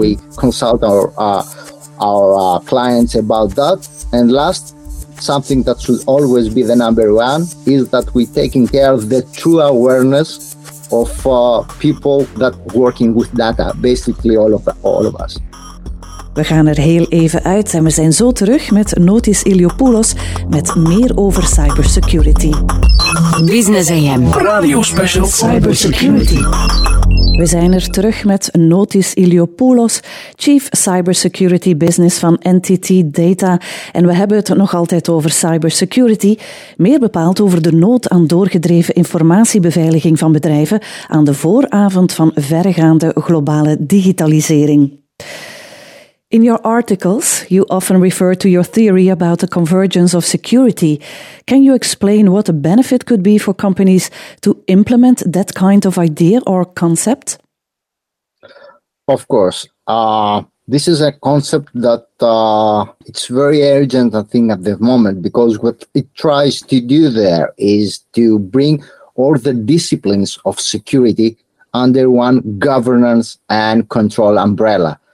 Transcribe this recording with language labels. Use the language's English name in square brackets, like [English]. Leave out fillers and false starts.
[English] we consult our clients about that. And last, something that should always be the number one is that we're taking care of the true awareness of people that working with data, basically all of us. [Dutch] We gaan er heel even uit en we zijn zo terug met Notis Iliopoulos met meer over cybersecurity. Business AM. Radio Special Cybersecurity. We zijn er terug met Notis Iliopoulos, Chief Cybersecurity Business van NTT Data. En we hebben het nog altijd over cybersecurity, meer bepaald over de nood aan doorgedreven informatiebeveiliging van bedrijven aan de vooravond van verregaande globale digitalisering. [English] In your articles, you often refer to your theory about the convergence of security. Can you explain what a benefit could be for companies to implement that kind of idea or concept? Of course. This is a concept that it's very urgent, I think, at the moment, because what it tries to do there is to bring all the disciplines of security under one governance and control umbrella.